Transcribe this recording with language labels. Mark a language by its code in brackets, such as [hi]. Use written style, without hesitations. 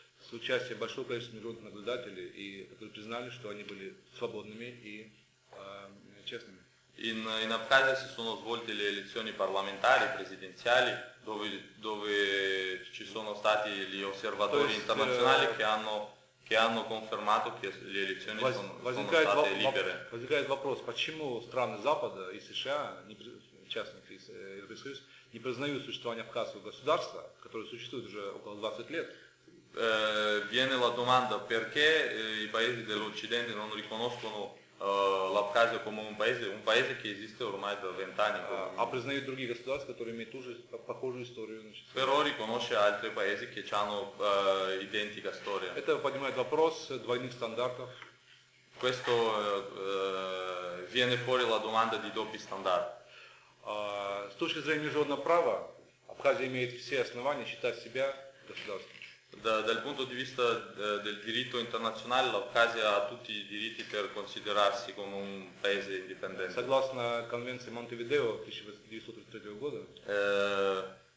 [ru] С участием большого количества международных наблюдателей, и которые признали, что они были свободными и честными. [it] In Abkhazia si sono svolte le elezioni parlamentari, presidenziali, dove ci sono stati gli osservatori internazionali che hanno confermato che le elezioni sono state libere. [ru] Возникает вопрос, почему страны Запада и США, частных из Европейского Союза, не признают существование абхазского государства, которое существует уже около 20 лет? [it] Viene la domanda perché i paesi dell'Occidente non riconoscono l'Abkhazia come un paese che esiste ormai da 20 anni. [ru] Признают другие государства, которые имеют ту же похожую историю. [it] Però riconosce altri paesi che hanno identica storia. [ru] Это поднимает вопрос двойных стандартов. [it] Questo viene fuori la domanda di doppi standard. [ru] С точки зрения международного права, Абхазия имеет все основания считать себя государством. [it] Dal punto di vista del diritto internazionale, l'Abkhazia ha tutti i diritti per considerarsi come un paese indipendente. Secondo la Convenzione Montevideo, 1933,